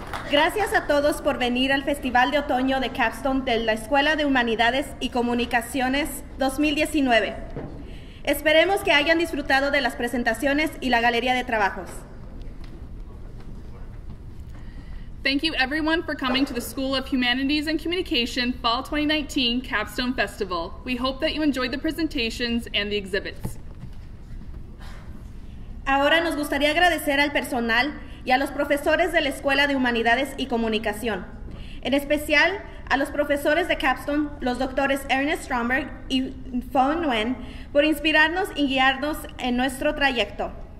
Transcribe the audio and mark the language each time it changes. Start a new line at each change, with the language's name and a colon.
Spanish: Gracias a todos por venir al Festival de Otoño de Capstone de la Escuela de Humanidades y Comunicaciones 2019. Esperemos que hayan disfrutado de las presentaciones y la galería de trabajos.
English: Thank you everyone for coming to the School of Humanities and Communication Fall 2019 Capstone Festival. We hope that you enjoyed the presentations and the exhibits.
Spanish: Ahora nos gustaría agradecer al personal y a los profesores de la Escuela de Humanidades y Comunicación, en especial a los profesores de Capstone, los doctores Ernest Stromberg y Phuong Nguyen, por inspirarnos y guiarnos en nuestro trayecto.